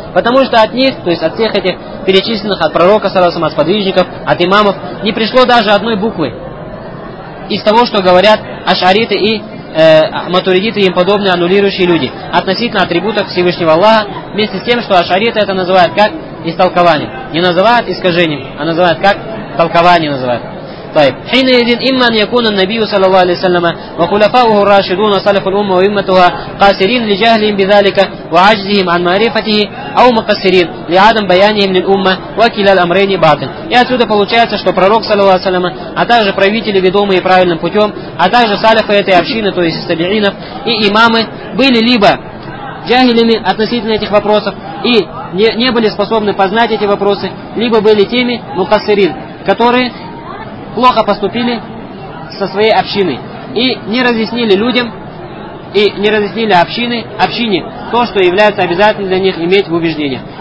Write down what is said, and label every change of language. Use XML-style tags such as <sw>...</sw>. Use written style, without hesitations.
<ru>Потому что от них, то есть от всех этих перечисленных, от пророка, саласам, от сподвижников, от имамов, не пришло даже одной буквы из того, что говорят ашариты и матуридиты и им подобные аннулирующие люди относительно атрибутов Всевышнего Аллаха, вместе с тем, что ашариты это называют как истолкование. Не называют искажением, а называют как толкование называют.</ru> <ar>طيب حين يدين إما أن يكون النبي صلى الله عليه وسلم وخلفاؤه الراشدون صالح الأمة وإمتها قاسرين لجهلهم بذلك وعجزهم عن معرفته أو مقصرين لعدم بيانهم للأمة وكلا الأمرين باطل.</ar> <ru>И отсюда получается, что пророк</ru> <ar>صلى الله عليه وسلم,</ar> <ru>а также правители, ведомые правильным путем, а также салифы этой общины, то есть табиинов и имамы, были либо джахилями относительно этих вопросов и не были способны познать эти вопросы, либо были теми мукасирин, которые плохо поступили со своей общиной и не разъяснили людям и не разъяснили общине то, что является обязательным для них иметь в убеждении.</ru>